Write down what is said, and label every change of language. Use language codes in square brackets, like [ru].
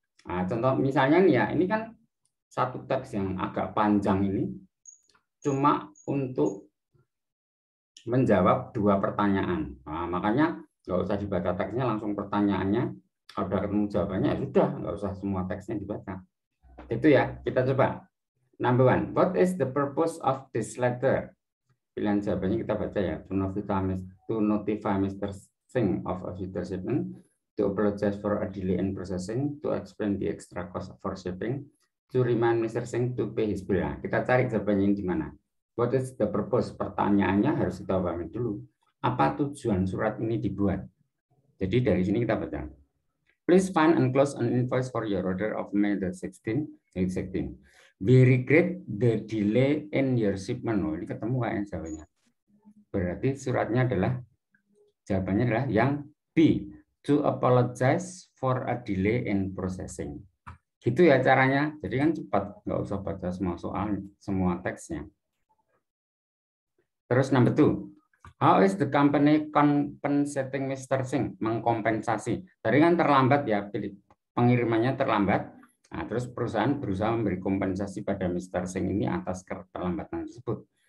[id] Nah, contoh misalnya nih ya, ini kan satu teks yang agak panjang ini, cuma untuk menjawab dua pertanyaan. Nah, makanya nggak usah dibaca teksnya, langsung pertanyaannya. Kalau udah ketemu jawabannya, ya sudah, nggak usah semua teksnya dibaca. Itu ya, kita coba. [en] Number one, what is the purpose of this letter? [id] Pilihan jawabannya kita baca ya. [en] To notify Mr. Singh of a future shipment, to apologize for a delay in processing, to explain the extra cost for shipping, to remind Mr. Singh to pay his bill. [id] Nah, kita cari jawabannya di mana. [en] What is the purpose? [id] Pertanyaannya harus kita pahami dulu. Apa tujuan surat ini dibuat? Jadi dari sini kita baca. [en] Please find and close an invoice for your order of May the 16th. We regret the delay in your shipment. [id] Oh, ini ketemu kan jawabannya. Berarti suratnya adalah, jawabannya adalah yang B, [en] to apologize for a delay in processing. [id] Gitu ya caranya. Jadi kan cepat, nggak usah baca semua soal, semua teksnya. [en] Terus number two, how is the company compensating Mr. [id] Singh? Mengkompensasi. Tadi kan terlambat ya, pengirimannya terlambat. Nah, terus perusahaan berusaha memberi kompensasi pada Mr. Singh ini atas keterlambatan tersebut.